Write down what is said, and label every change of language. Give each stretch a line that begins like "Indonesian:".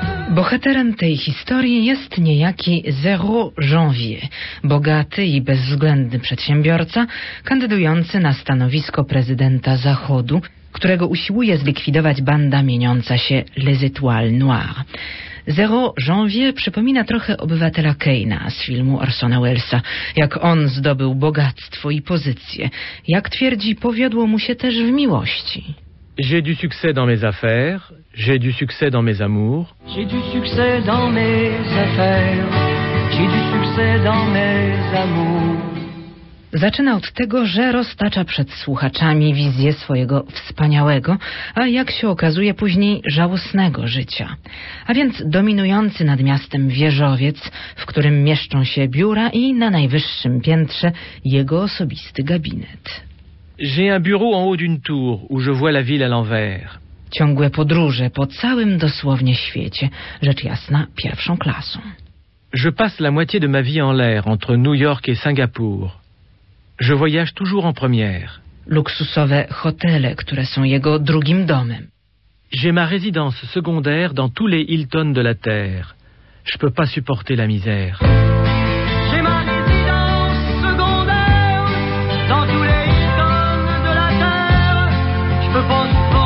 Polish: Bohaterem tej historii jest niejaki Zero Janvier, bogaty i bezwzględny przedsiębiorca, kandydujący na stanowisko prezydenta Zachodu, którego usiłuje zlikwidować banda mieniąca się Les Étoiles Noires. Zero Janvier przypomina trochę obywatela Kane'a z filmu Orsona Wellesa, jak on zdobył bogactwo i pozycję. Jak twierdzi, powiodło mu się też w miłości.
French: J'ai du succès dans mes affaires, j'ai du succès dans mes amours. J'ai du succès dans mes affaires, j'ai du succès dans mes amours.
Polish: Zaczyna od tego, że roztacza przed słuchaczami wizję swojego wspaniałego, a jak się okazuje później żałosnego życia. A więc dominujący nad miastem wieżowiec, w którym mieszczą się biura i na najwyższym piętrze jego osobisty gabinet.
French: J'ai un bureau en haut d'une tour, où je vois la ville à l'envers.
Polish: Ciągłe podróże po całym dosłownie świecie, rzecz jasna pierwszą klasą.
French: Je passe la moitié de ma vie en l'air entre New York et Singapour. Je voyage toujours en première.
Polish: Luksusowe hotele, które są jego drugim domem.
French: J'ai ma résidence secondaire dans tous les Hilton de la Terre. Je peux pas supporter la misère. J'ai ma résidence secondaire dans tous les Hilton de la Terre. Je peux pas supporter la misère.